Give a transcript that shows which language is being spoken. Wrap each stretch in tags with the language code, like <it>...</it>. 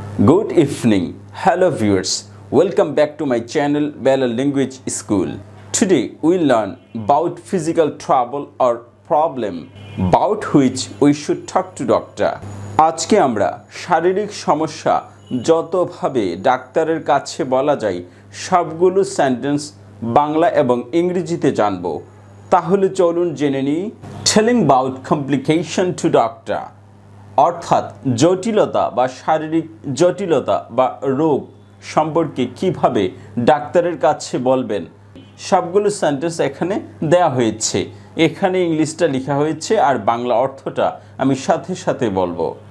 <en>Good evening, hello viewers. Welcome back to my channel Balal Language School. Today we learn about physical trouble or problem about which we should talk to doctor.</en> <bn>আজকে আমরা শারীরিক সমস্যা যতভাবে ডাক্তারের কাছে বলা যায় সবগুলো সেন্টেন্স বাংলা এবং ইংরেজিতে জানব। তাহলে চলুন জেনে নিই</bn> <en>telling about complication to doctor.</en> <bn>অর্থাৎ জটিলতা বা শারীরিক জটিলতা বা রোগ সম্পর্কে কিভাবে ডাক্তারের কাছে বলবেন সবগুলো সেন্টেন্স এখানে দেয়া হয়েছে। এখানে ইংলিশটা লেখা হয়েছে আর বাংলা অর্থটা আমি সাথে সাথে বলবো।</bn>